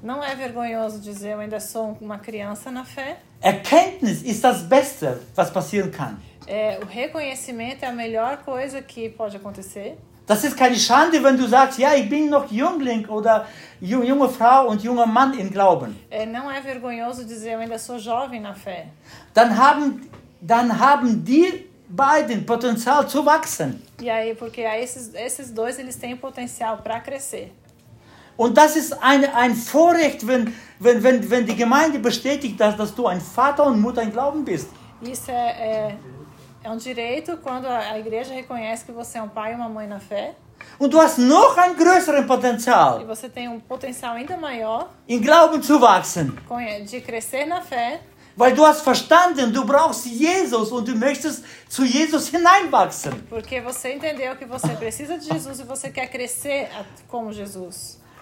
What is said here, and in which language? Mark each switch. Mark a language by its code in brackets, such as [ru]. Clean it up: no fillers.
[pt] Não é vergonhoso dizer, eu ainda sou uma criança na fé. [de] Erkenntnis ist das Beste, was passieren kann. [pt] O reconhecimento é a melhor coisa que pode acontecer. [de] Das ist keine Schande, wenn du sagst, ja, ich bin noch Jüngling oder junge Frau und junger Mann im Glauben. [pt] Não é vergonhoso dizer, eu ainda sou jovem na fé. [de] Dann haben die beiden Potenzial zu wachsen. [pt] E aí, porque esses dois eles têm potencial para crescer. [de] Und das ist ein Vorrecht, wenn die Gemeinde bestätigt, dass du ein Vater und Mutter im Glauben bist. [pt] Isso é um direito quando a igreja reconhece que você é um pai e uma mãe na fé. [de] Und du hast noch ein größeres Potenzial. [pt] E você tem um potencial ainda maior. [de] Im Glauben zu wachsen. [pt] De crescer na fé. [de] Weil du hast verstanden, du brauchst Jesus und du möchtest zu Jesus hineinwachsen. [pt] Porque você entendeu que você precisa de Jesus e você quer crescer como Jesus.